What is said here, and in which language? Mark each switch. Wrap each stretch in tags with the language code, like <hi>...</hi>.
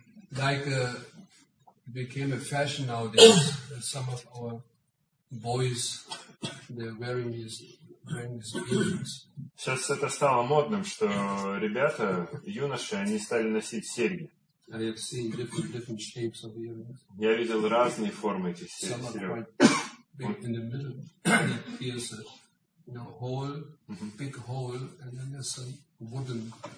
<en>Like became a fashion nowadays that some of our boys they're wearing these earrings.</en> <ru>Сейчас это стало модным, что ребята, юноши, они стали носить серьги.</ru> <en>I have seen different shapes of earrings.</en> <ru>Я видел разные формы этих серьг.</ru> <en>Some are quite big in the middle. It appears a hole, big hole, and then there's some wooden.</en>